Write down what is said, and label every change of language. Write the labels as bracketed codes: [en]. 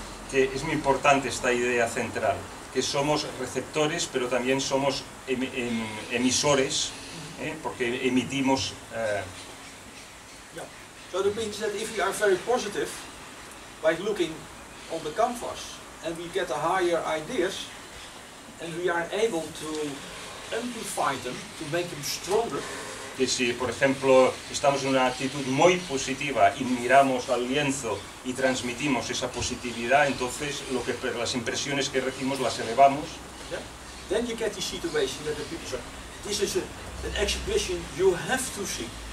[es] Que es muy importante esta idea central, que somos receptores, pero también somos emisores, porque emitimos. [en] Yeah. So that means that if we are very positive by looking on the canvas and we get a higher ideas and we are able to amplify them to make them stronger. [es] Que si, por ejemplo, estamos en una actitud muy positiva y miramos al lienzo y transmitimos esa positividad, entonces las impresiones que recibimos las elevamos. [en] Yeah. Then you get the situation that the people say, this is an exhibition you have to see.